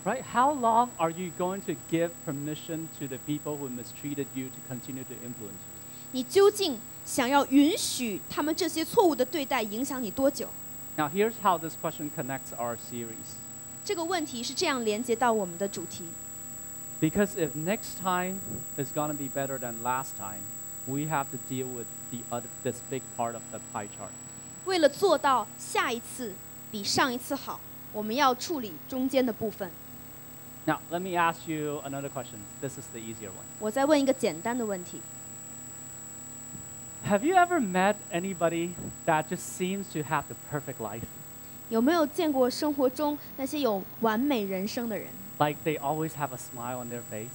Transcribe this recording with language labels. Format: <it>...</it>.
<en>Right, how long are you going to give permission to the people who mistreated you to continue to influence you?</en> <zh>你究竟想要允许他们这些错误的对待影响你多久？</zh> <en>Now here's how this question connects our series.</en> <zh>这个问题是这样连接到我们的主题。</zh> <en>Because if next time is going to be better than last time, we have to deal with this big part of the pie chart.</en> <zh>为了做到下一次比上一次好，我们要处理中间的部分。</zh> <en>Now, let me ask you another question. This is the easier one.</en> <zh>我再问一个简单的问题。</zh> <en>Have you ever met anybody that just seems to have the perfect life?</en> <zh>有没有见过生活中那些有完美人生的人？</zh> <en>Like they always have a smile on their face.</en>